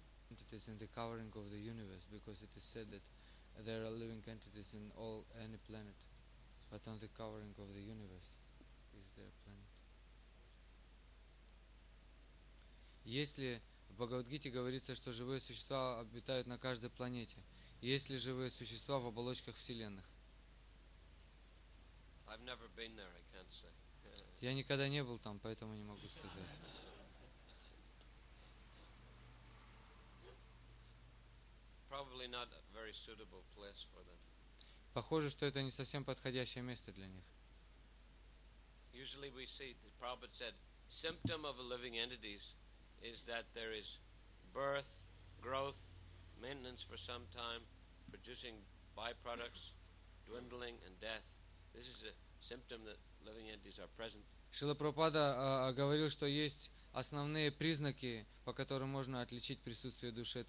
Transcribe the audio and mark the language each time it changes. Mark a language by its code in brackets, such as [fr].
[en] Entities in the covering of the universe, because it is said that there are living entities in all any planet, but on the covering of the universe is their planet. [ru] Если в Бхагавад-гите говорится, что живые существа обитают на каждой планете, есть ли живые существа в оболочках вселенных? [en] I've never been there, I can't say. [ru] Я никогда не был там, поэтому не могу сказать. [en] Not a very suitable place for them. [ru] Похоже, что это не совсем подходящее место для них. [en] Usually we see, the Prabhupada said, symptom of a living entities is that there is birth, growth, maintenance for some time, producing byproducts, dwindling and death. This is a symptom that living entities are present. [ru] Шрила Прабхупада говорил, что есть основные признаки, по которым можно отличить присутствие души.